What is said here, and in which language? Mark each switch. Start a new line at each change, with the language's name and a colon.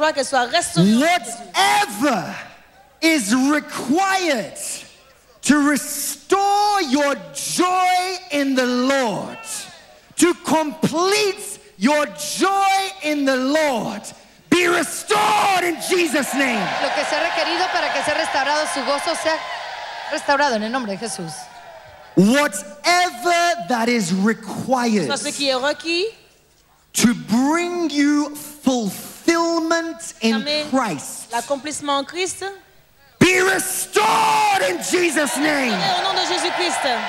English: Whatever is required to restore your joy in the Lord, to complete your joy in the Lord, be restored in Jesus' name.
Spanish: Lo que sea requerido para que sea restaurado su gozo sea restaurado en el nombre de Jesús.
English: Whatever that is required to bring you fulfillment in Christ,
French: l'accomplissement en Christ,
English: be restored in Jesus' name.
French: Au nom de Jésus-Christ.